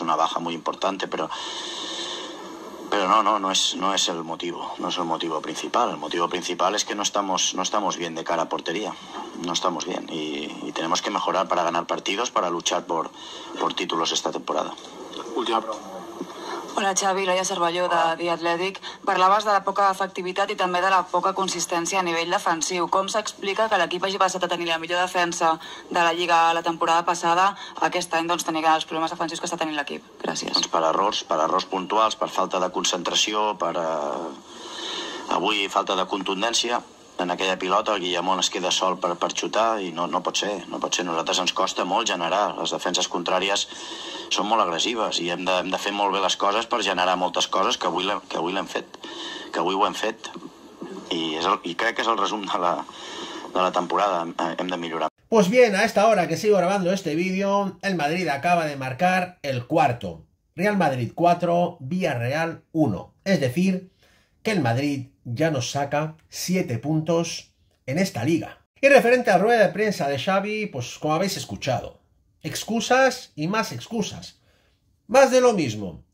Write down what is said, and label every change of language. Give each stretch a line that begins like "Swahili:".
Spanish: Es una baja muy importante, pero no es el motivo, no es el motivo principal. El motivo principal es que no estamos bien de cara a portería, no estamos bien, y tenemos que mejorar para ganar partidos, para luchar por títulos esta temporada. Última pregunta. Hola, Xavi, Laia Cervelló, de The Athletic.
Catalan: Parlaves de la poca efectivitat i també de la poca consistència a nivell defensiu. Com s'explica que l'equip hagi passat a tenir la millor defensa de la Lliga la temporada passada, aquest any, doncs, tenir els problemes defensius que està tenint l'equip? Gràcies. Doncs per errors puntuals, per falta de concentració, per avui falta de contundència en aquella pilota. El Guillamón es queda sol per xutar i no pot ser. Nosaltres ens costa molt generar. Les defenses contràries són molt agressives i hem de fer molt bé les coses per generar moltes coses que avui ho hem fet. I crec que és el resum de la temporada. Hem de millorar.
Spanish: Pues bien, a esta hora que sigo grabando este vídeo, el Madrid acaba de marcar el cuarto. Real Madrid 4, Villarreal 1. Es decir, que el Madrid ya nos saca 7 puntos en esta liga. Y referente a rueda de prensa de Xavi, pues como habéis escuchado, excusas y más excusas. Más de lo mismo.